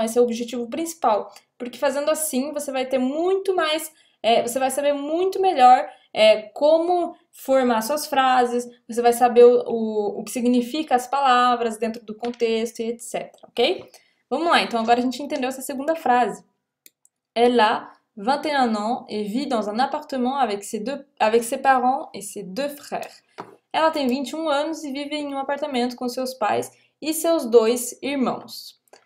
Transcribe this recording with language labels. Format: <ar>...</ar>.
<pt>Esse é o objetivo principal. Porque fazendo assim, você vai ter muito mais, você vai saber muito melhor como formar suas frases, você vai saber o que significa as palavras dentro do contexto e etc, ok? Vamos lá, então agora a gente entendeu essa segunda frase.</pt> <fr>Ela, 21 ans, et vit dans un appartement avec ses parents et ses deux frères.</fr> <pt>Ela tem 21 anos e vive em um apartamento com seus pais e seus dois irmãos.</pt>